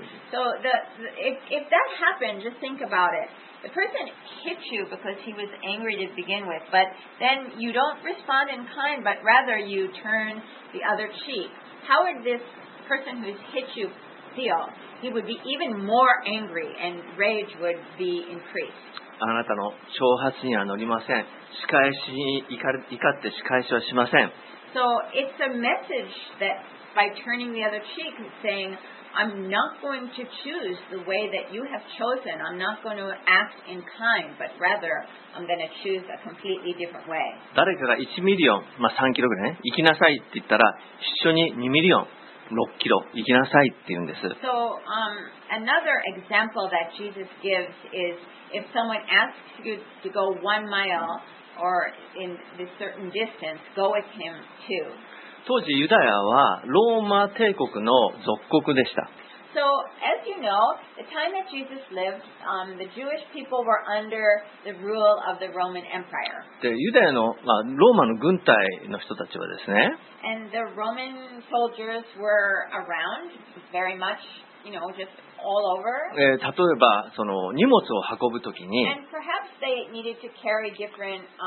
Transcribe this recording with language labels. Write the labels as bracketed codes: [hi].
[en] So if that happened, just think about it. The person hit you because he was angry to begin with, but then you don't respond in kind, but rather you turn the other cheek. How would this person who's hit you feel? He would be even more angry and rage would be increased. [ja] あなたの挑発には乗りません。仕返しに怒って仕返しはしません。 [en] So it's a message that by turning the other cheek and saying, I'm not going to choose the way that you have chosen. I'm not going to act in kind, but rather, I'm going to choose a completely different way. [ja] 誰かが1ミリオン、まあ3キロぐらいね、行きなさいって言ったら、一緒に2ミリオン、6キロ、行きなさいって言うんです。 [en] So, another example that Jesus gives is, if someone asks you to go 1 mile, or in this certain distance, go with him too. [ja] 当時ユダヤはローマ帝国の属国でした。 [en] So, as you know, the time that Jesus lived, the Jewish people were under the rule of the Roman Empire. [ja] で、ユダヤの、まあ、ローマの軍隊の人たちはですね。 [en] And the Roman soldiers were around very much, you know, just all over. [ja] 例えば、その荷物を運ぶときに。 [en] And perhaps they needed to carry different